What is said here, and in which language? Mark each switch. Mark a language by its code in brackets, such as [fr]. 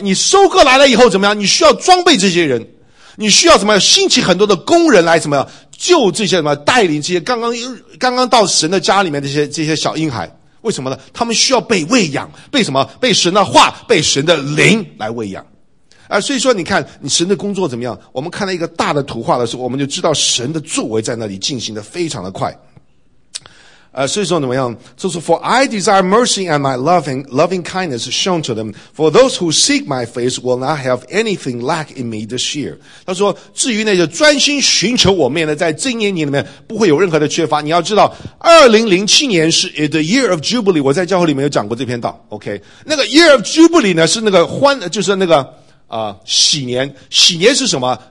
[zh] 你收割来了以后怎么样，你需要装备这些人，你需要什么，兴起很多的工人来什么，就这些什么，带领这些刚刚到神的家里面的这些小婴孩。为什么呢？他们需要被喂养，被什么，被神的话，被神的灵来喂养。所以说你看你神的工作怎么样，我们看到一个大的图画的时候，我们就知道神的作为在那里进行的非常的快。所以说怎么样，就是 [en] For I desire mercy and my loving kindness shown to them, for those who seek my face will not have anything lack in me this year. [zh] 他说至于那些专心寻求我面的，在这一年里面不会有任何的缺乏。你要知道2007年是 [en] the year of jubilee, [zh] 我在教会里面有讲过这篇道， OK。那个 [en] year of jubilee [zh] 呢，是那个欢，就是那个喜年。喜年是什么？